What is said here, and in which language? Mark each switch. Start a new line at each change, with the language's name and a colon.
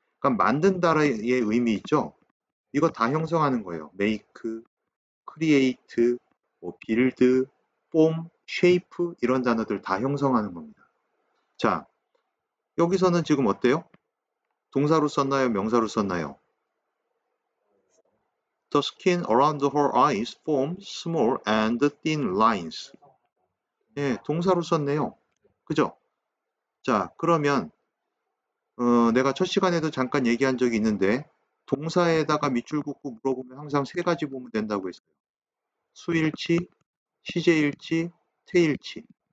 Korean: 그러니까 만든다라의 의미 있죠. 이거 다 형성하는 거예요.
English: make, create,
Korean: 뭐
English: build, form, shape
Korean: 이런 단어들 다 형성하는 겁니다. 자, 여기서는 지금 어때요? 동사로 썼나요? 명사로 썼나요?
English: The skin around her eyes form small and thin lines.
Korean: 예, 동사로 썼네요. 그죠? 자, 그러면 내가 첫 시간에도 잠깐 얘기한 적이 있는데 동사에다가 밑줄 긋고 물어보면 항상 세 가지 보면 된다고 했어요. 수일치, 시제일치, 태일치.